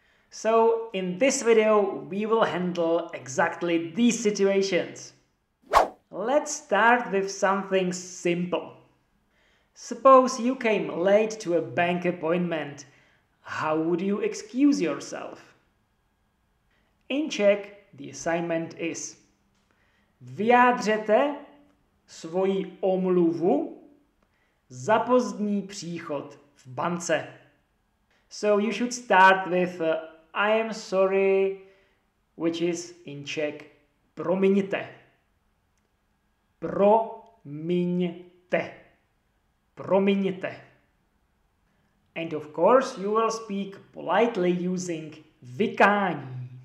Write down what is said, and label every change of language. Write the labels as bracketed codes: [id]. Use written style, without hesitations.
[en] So in this video, we will handle exactly these situations. Let's start with something simple. Suppose you came late to a bank appointment. How would you excuse yourself? In Czech, the assignment is [cs] vyjádřete svoji omluvu za pozdní příchod v bance. [en] So you should start with I am sorry, which is in Czech promiňte. [cs] Promiňte. Promiňte. [en] And of course, you will speak politely using vykání.